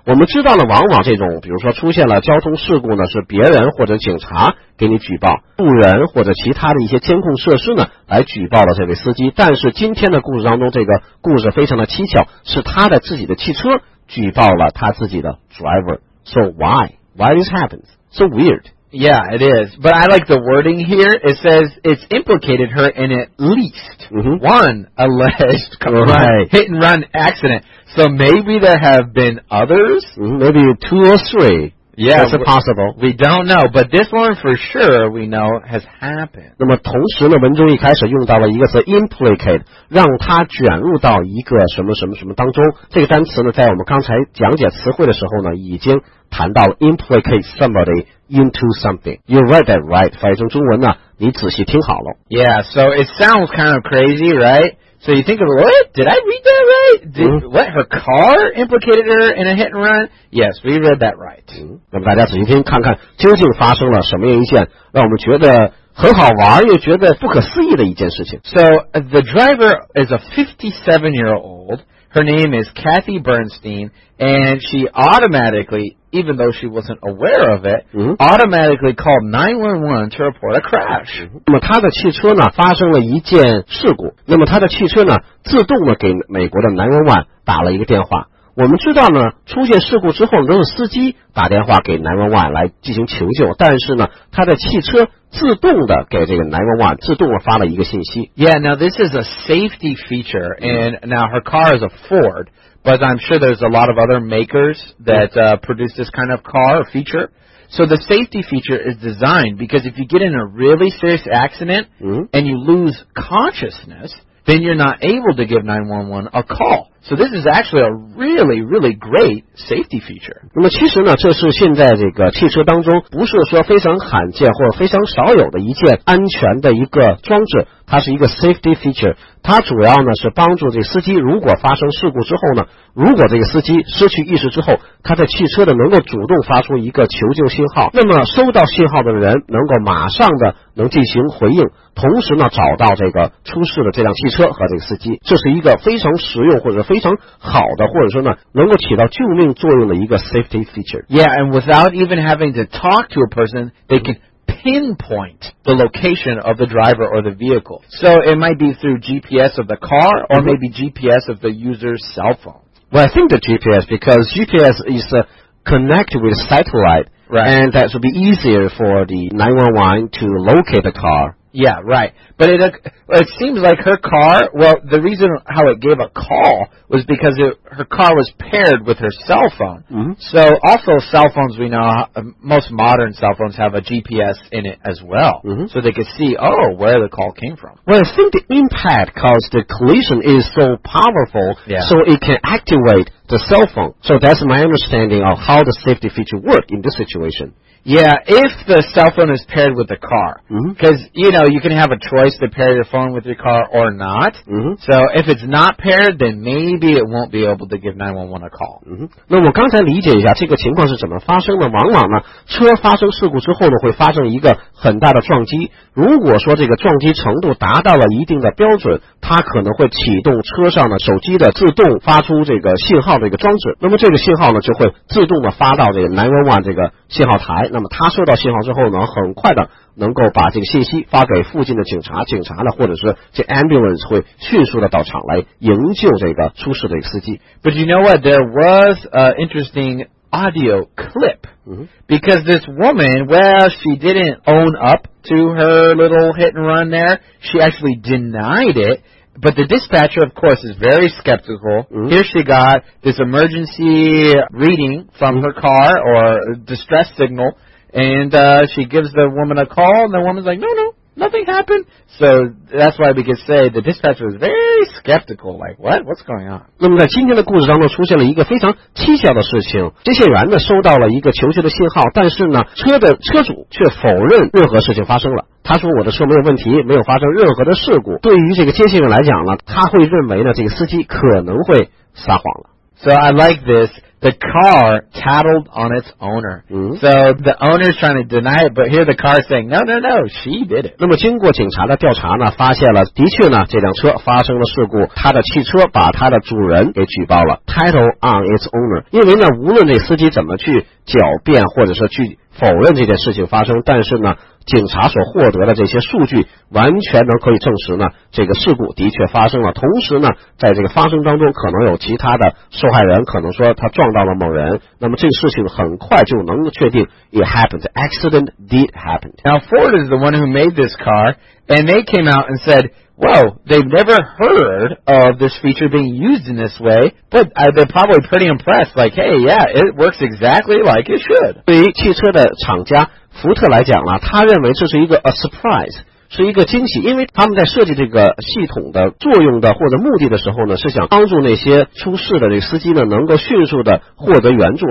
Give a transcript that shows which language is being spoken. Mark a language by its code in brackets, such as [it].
[zh] 我们知道呢，往往这种比如说出现了交通事故呢，是别人或者警察给你举报，路人或者其他的一些监控设施呢来举报了这位司机。但是今天的故事当中，这个故事非常的蹊跷，是他的自己的汽车举报了他自己的 driver。 [en] So why this happens so weird? Yeah, it is, but I like the wording here. It says it's implicated her in at least、 mm-hmm. one alleged hit and run accident. So maybe there have been others、 mm-hmm. maybe two or three. Yeah, that's possible. We don't know, but this one for sure we know has happened. [zh] 那么同时呢，文中一开始用到了一个词 implicate， 让他卷入到一个什么什么什么当中。这个单词呢，在我们刚才讲解词汇的时候呢，已经谈到了 [en] implicate somebody into something. You read that right. [zh] 翻译成中文呢，你仔细听好了。 [en] Yeah, so it sounds kind of crazy, right? So you think of, what? Did I read that right? What, her car implicated her in a hit and run? Yes, we read that right. [zh] 那么大家仔细听，看看究竟发生了什么样一件让我们觉得很好玩又觉得不可思议的一件事情。 [en] So the driver is a 57-year-old. Her name is Kathy Bernstein, and she automatically, even though she wasn't aware of it, automatically called 911 to report a crash. [zh] 那么她的汽车呢发生了一件事故，那么她的汽车呢自动的给美国的911打了一个电话。我们知道呢，出现事故之后都是司机打电话给911来进行求救，但是呢她的汽车自动的给这个911自动的发了一个信息。 [en] Yeah, now this is a safety feature, and now her car is a Ford, but I'm sure there's a lot of other makers that produce this kind of car feature. So the safety feature is designed because if you get in a really serious accident and you lose consciousness, then you're not able to give 911 a call. So this is actually a really, really great safety feature. [zh] 那么其实呢，这是现在这个汽车当中不是说非常罕见或者非常少有的一件安全的一个装置，它是一个 safety feature。它主要呢是帮助这司机，如果发生事故之后呢，如果这个司机失去意识之后，他的汽车的能够主动发出一个求救信号，那么收到信号的人能够马上的能进行回应，同时呢找到这个出事的这辆汽车和这个司机，这是一个非常实用或者非常好的，或者说呢能够起到救命作用的一个 safety feature. [en] Yeah, and without even having to talk to a person, they canpinpoint the location of the driver or the vehicle. So it might be through GPS of the car or maybe GPS of the user's cell phone. Well, I think the GPS, because GPS is connected with satellite, right, and that would be easier for the 911 to locate the car. Yeah, right. But it seems like her car, well, the reason how it gave a call was because her car was paired with her cell phone. Mm-hmm. So also cell phones, we know, most modern cell phones have a GPS in it as well. Mm-hmm. So they could see, oh, where the call came from. Well, I think the impact caused the collision is so powerful, yeah, so it can activate the cell phone. So that's my understanding of how the safety feature worked in this situation. Yeah, if the cell phone is paired with the car. Because, you know, you can have a choice to pair your phone with your car or not. So if it's not paired, then maybe it won't be able to give 911 a call. [zh] 那我刚才理解一下这个情况是怎么发生的。往往呢，车发生事故之后呢，会发生一个很大的撞击。如果说这个撞击程度达到了一定的标准，它可能会启动车上的手机的自动发出这个信号的一个装置。那么这个信号呢，就会自动的发到这个911这个信号台。那么他收到信号之后呢，很快的能够把这个信息发给附近的警察，警察呢或者是这 ambulance 会迅速的到场来营救这个出事的一个司机。 [en] But you know what, there was an interesting audio clip、because this woman, well, she didn't own up to her little hit and run there. She actually denied it. But the dispatcher, of course, is very skeptical. Here she got this emergency reading from her car or distress signal, and she gives the woman a call, and the woman's like, no, nothing happened. So that's why we could say the dispatcher was very skeptical, like, what's going on? [zh] 那么在今天的故事当中出现了一个非常蹊跷的事情，接线员呢收到了一个求救的信号，但是呢车的车主却否认任何事情发生了，他说我的车没有问题，没有发生任何的事故。对于这个接线员来讲呢，他会认为呢这个司机可能会撒谎了。 [en] So I like this. The car tattled on its owner. Mm-hmm. So the owner's trying to deny it, but here the car is saying, no, no, no, she did it. [zh] 那么经过警察的调查呢，发现了的确呢，这辆车发生了事故，他的汽车把他的主人给举报了。 [en] Tattled on its owner. [zh] 因为呢，无论这司机怎么去狡辩或者说去否认这件事情发生，但是呢，警察所获得的这些数据完全能可以证实呢，这个事故的确发生了。同时呢，在这个发生当中，可能有其他的受害人，可能说他撞到了某人。那么这个事情很快就能确定 ， [en] it happened, the accident did happen. Now Ford is the one who made this car, and they came out and said, well, they've never heard of this feature being used in this way, but they're probably pretty impressed. Like, hey, yeah, it works exactly like it should. [zh] 对于汽车的厂家。福特来讲呢，他认为这是一个 [en] a surprise， [zh] 是一个惊喜，因为他们在设计这个系统的作用的或者目的的时候呢，是想帮助那些出事的这个司机呢，能够迅速的获得援助。